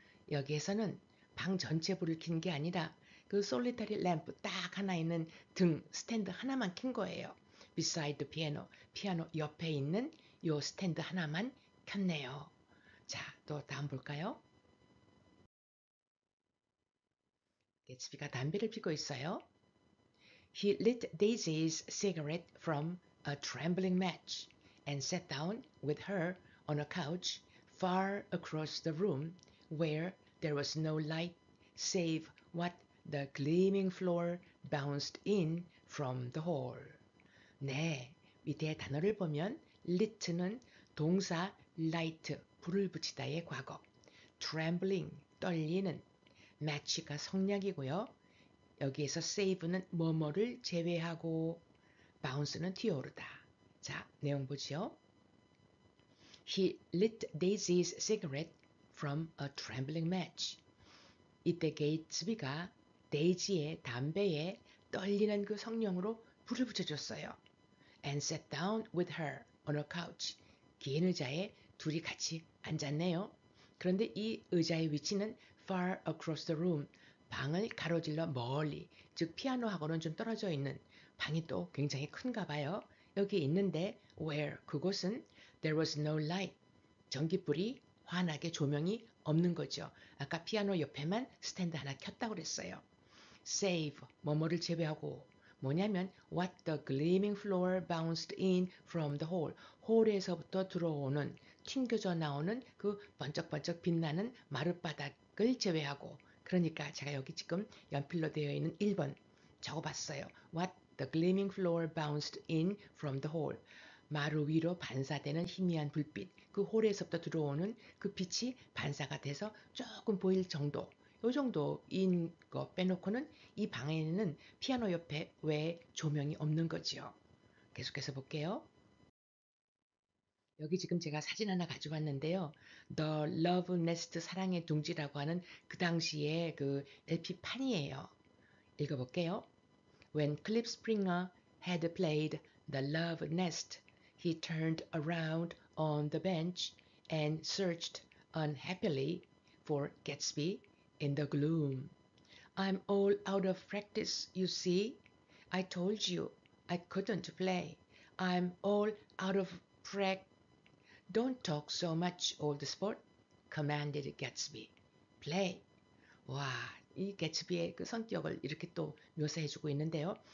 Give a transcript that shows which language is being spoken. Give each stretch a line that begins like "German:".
Korean: 여기에서는 방 전체 불을 켠 게 아니라 그 솔리터리 램프 딱 하나 있는 등 스탠드 하나만 켠 거예요.
English: Beside the piano,
Korean: 피아노 옆에 있는 요 스탠드 하나만 켰네요. 자, 또 다음 볼까요? 게츠비가 담배를 피고 있어요.
English: He lit Daisy's cigarette from a trembling match and sat down with her on a couch far across the room where there was no light save what the gleaming floor bounced in from the hall.
Korean: 네, 밑에 단어를 보면 lit는 동사 light, 불을 붙이다의 과거. trembling, 떨리는, match가 성냥이고요. 여기에서 save는 뭐뭐를 제외하고 bounce는 튀어오르다. 자, 내용 보지요.
English: He lit Daisy's cigarette from a trembling match.
Korean: 이때 게이츠비가 데이지의 담배에 떨리는 그 성령으로 불을 붙여줬어요.
English: And sat down with her on a couch.
Korean: 기인의자에 둘이 같이 앉았네요. 그런데 이 의자의 위치는
English: far across the room.
Korean: 방을 가로질러 멀리, 즉 피아노하고는 좀 떨어져 있는 방이 또 굉장히 큰가 봐요. 여기 있는데
English: where
Korean: 그곳은
English: there was no light.
Korean: 전기불이 환하게 조명이 없는 거죠. 아까 피아노 옆에만 스탠드 하나 켰다고 그랬어요.
English: Save,
Korean: 뭐뭐를 제외하고, 뭐냐면
English: What the gleaming floor bounced in from the hall.
Korean: 홀에서부터 들어오는, 튕겨져 나오는 그 번쩍번쩍 빛나는 마룻바닥을 제외하고, 그러니까 제가 여기 지금 연필로 되어 있는 1번 적어봤어요.
English: What the gleaming floor bounced in from the hall.
Korean: 마루 위로 반사되는 희미한 불빛, 그 홀에서부터 들어오는 그 빛이 반사가 돼서 조금 보일 정도. 요 정도인 거 빼놓고는 이 방에는 피아노 옆에 왜 조명이 없는 거지요. 계속해서 볼게요. 여기 지금 제가 사진 하나 가져왔는데요. The Love Nest 사랑의 둥지라고 하는 그 당시의 그 LP판이에요. 읽어볼게요.
English: When Cliff Springer had played The Love Nest, he turned around on the bench and searched unhappily for Gatsby. In the gloom. I'm all out of practice, you see. I told you I couldn't play. I'm all out of practice. Don't talk so much, old sport, commanded Gatsby. Play.
Korean: 와, 이 게츠비의 그 성격을 이렇게 또 묘사해주고 있는데요.